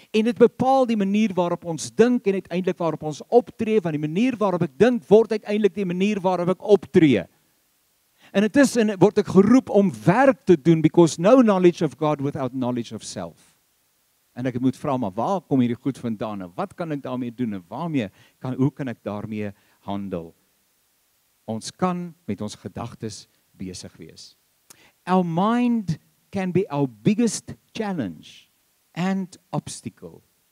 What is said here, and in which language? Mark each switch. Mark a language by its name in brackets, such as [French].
[Afrikaans] En het bepaal die manier waarop ons dink en uiteindelik waarop ons optree, want die manier waarop ek dink, word uiteindelik die manier waarop ek optree. En het is, en word ek geroep om werk te doen, [English] because no knowledge of God without knowledge of self. [Afrikaans] En ek moet vraag, maar waar kom hierdie goed vandaan, en wat kan ek daarmee doen, en waarmee kan, hoe kan ek daarmee handel? Ons kan met ons gedagtes besig wees. [English] Our mind can be our biggest challenge and obstacle.